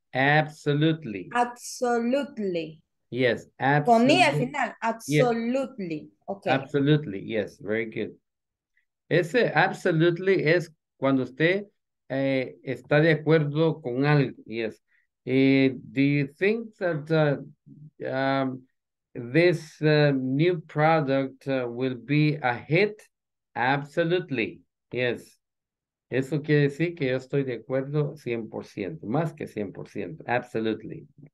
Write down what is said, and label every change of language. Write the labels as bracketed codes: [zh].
[en] Absolutely. Absolutely. Yes, absolutely. [es] Con I al final, [en] absolutely. Yes. Okay. Absolutely, yes, very good. [es] Ese absolutely es cuando usted está de acuerdo con algo, [en] yes. Do you think that this new product will be a hit? Absolutely, yes. [es] Eso quiere decir que yo estoy de acuerdo 100%, más que 100%, absolutely.